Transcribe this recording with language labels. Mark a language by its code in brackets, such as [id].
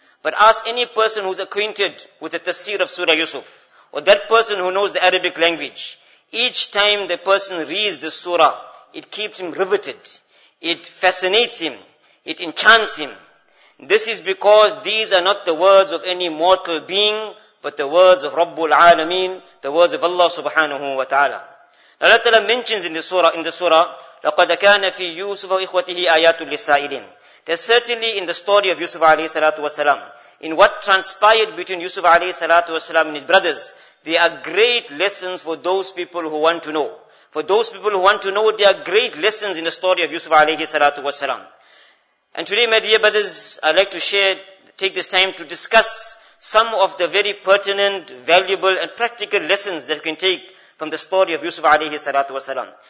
[en] But ask any person who's acquainted with the tafsir of Surah Yusuf, or that person who knows the Arabic language, each time the person reads the surah, it keeps him riveted, it fascinates him, it enchants him. This is because these are not the words of any mortal being, but the words of Rabbul Alameen, the words of Allah subhanahu wa ta'ala. Allah ta'ala mentions in the surah, [ar] لَقَدَ كَانَ فِي يُوسُفَ وَإِخْوَتِهِ آيَاتٌ لِلسَّائِلِينَ. [en] There's certainly in the story of Yusuf alayhi salatu wasalam, in what transpired between Yusuf alayhi salatu wasalam and his brothers, there are great lessons for those people who want to know. For those people who want to know, there are great lessons in the story of Yusuf alayhi salatu wasalam. And today, my dear brothers, I'd like to take this time to discuss some of the very pertinent, valuable, and practical lessons that we can take from the story of Yusuf alayhi salatu wasalam.